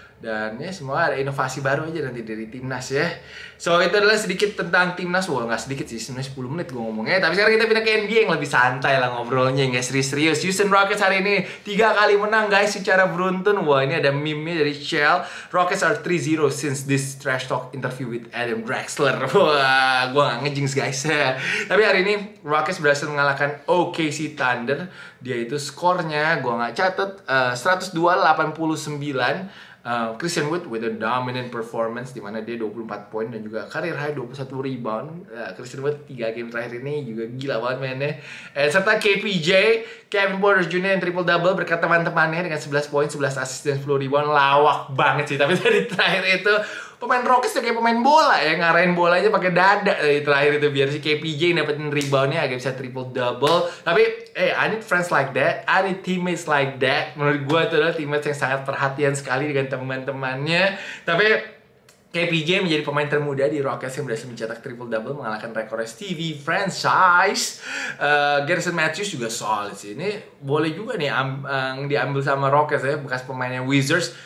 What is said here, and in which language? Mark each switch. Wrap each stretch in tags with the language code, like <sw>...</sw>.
<id>Dan ya semua ada inovasi baru aja nanti dari timnas ya.</id> <en>So</en> <id>itu adalah sedikit tentang timnas. Wah gak sedikit sih, sebenernya 10 menit gue ngomongnya. Tapi sekarang kita pindah ke NBA yang lebih santai lah ngobrolnya. Yang gak serius-serius. Houston Rockets hari ini 3 kali menang guys secara beruntun. Wah ini ada meme-nya dari Shell.</id> <en>Rockets are 3-0 since this trash talk interview with Adam Drexler.</en> <id>Wah gue gak nge-jinx guys. Tapi hari ini Rockets berhasil mengalahkan OKC Thunder. Dia itu skornya gue gak catet. 102-89.</id> <en>Christian Wood with a dominant performance</en> <id>di mana dia 24 poin dan juga</id> <en>career high 21 rebound.</en> <id>Christian Wood 3 game terakhir ini juga gila banget mainnya. Serta KPJ, Kevin Porter Jr. yang triple double berkat teman-temannya dengan 11 poin, 11 assist dan 10 rebound. Lawak banget sih, tapi dari terakhir itu pemain Rockets kayak pemain bola ya, ngarahin bolanya pakai dada dari terakhir itu biar si KPJ dapetin reboundnya agak bisa triple double. Tapi</id> <en>I need friends like that, I need teammates like that.</en> <id>Menurut gue itu adalah teammates yang sangat perhatian sekali dengan teman-temannya. Tapi KPJ menjadi pemain termuda di Rockets yang berhasil mencetak triple double mengalahkan rekor Stevie franchise. Garrison Matthews juga solid sih. Ini boleh juga nih diambil sama Rockets ya, bekas pemainnya Wizards.</id>